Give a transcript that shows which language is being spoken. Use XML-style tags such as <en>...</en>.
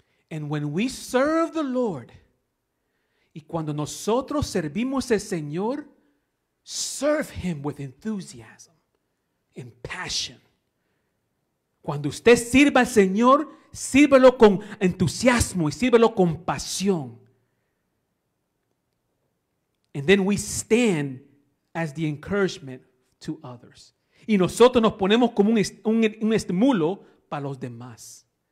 <en>And when we serve the Lord,</en> <es>y cuando nosotros servimos al Señor,</es> <en>serve Him with enthusiasm and passion.</en> <es>Cuando usted sirva al Señor, sírvelo con entusiasmo y sírvelo con pasión.</es> <en>And then we stand as the encouragement to others.</en> <es>Y nosotros nos ponemos como un estímulo para los demás.</es>